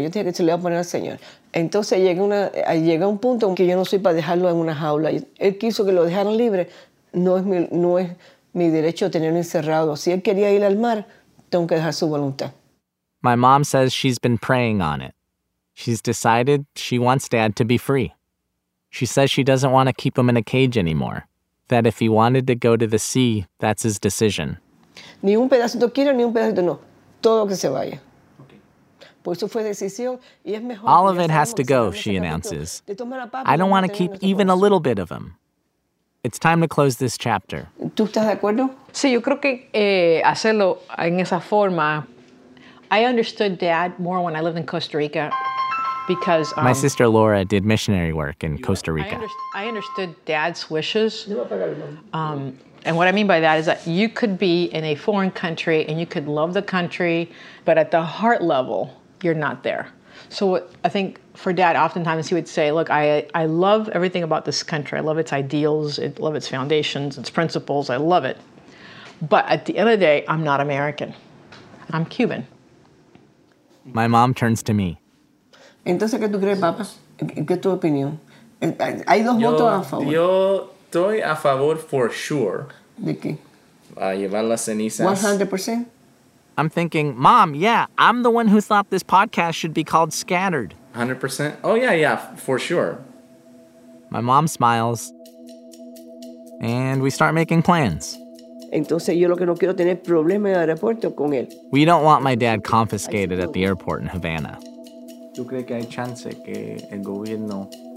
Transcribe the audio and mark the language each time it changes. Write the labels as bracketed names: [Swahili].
[Spanish] Yo tenía que decirle, voy a poner al Señor. Entonces llegué a un punto en que yo no soy para dejarlo en una jaula. Él quiso que lo dejaran libre. No es mi derecho tenerlo encerrado. Si él quería ir al mar, tengo que dejar su voluntad. [English] My mom says she's been praying on it. She's decided she wants Dad to be free. She says she doesn't want to keep him in a cage anymore. That if he wanted to go to the sea, that's his decision. [Spanish] Ni un pedacito quiero, ni un pedacito no. Todo que se vaya. Por eso fue decisión y es mejor. [English] All of it has to go, she announces. I don't want to keep even a little bit of him. It's time to close this chapter. [Spanish] ¿Tú estás de acuerdo? Sí, yo creo que hacerlo en esa forma. [English] I understood Dad more when I lived in Costa Rica because my sister Laura did missionary work in Costa Rica. I understood Dad's wishes. And what I mean by that is that you could be in a foreign country and you could love the country, but at the heart level, you're not there. So what I think for Dad, oftentimes he would say, look, I love everything about this country. I love its ideals. I love its foundations, its principles. I love it. But at the end of the day, I'm not American. I'm Cuban. My mom turns to me. [Spanish] Entonces, ¿qué tú crees, papá? ¿Qué es tu opinión? Hay dos votos a favor. Yo... Estoy a favor [English] for sure. [Spanish] ¿De qué? A llevar las cenizas. [English] 100%? I'm thinking, Mom, yeah, I'm the one who thought this podcast should be called Scattered. 100%? Oh, yeah, for sure. My mom smiles. And we start making plans. [Spanish] Entonces yo lo que no quiero tener problemas en el aeropuerto con él. [English] We don't want my dad confiscated at the airport in Havana. [Spanish] ¿Tú crees que hay chance que el gobierno...